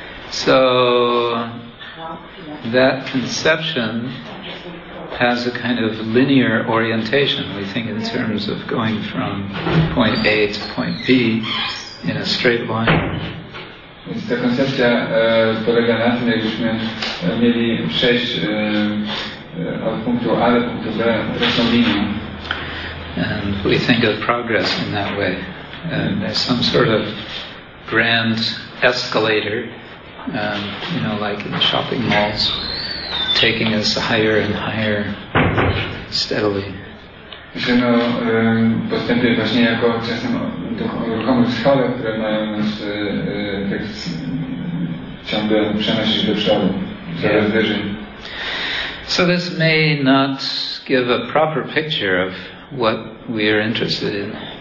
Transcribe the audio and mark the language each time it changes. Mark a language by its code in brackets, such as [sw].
[en] So that conception has a kind of linear orientation. We think in terms of going from point A to point B in a straight line. [pl] Więc ta koncepcja polega na tym, jakbyśmy mieli przejść od punktu A do punktu B prostą linią. [en] And we think of progress in that way. There's some sort of grand escalator, you know, like in shopping malls, taking us higher and higher steadily. [pl] Myślę o postępie właśnie jako czasem ruchomych schodach, które mają nas tak ciągle przenosić do przodu, coraz wyżej. [en] So this may not give a proper picture of what we are interested in.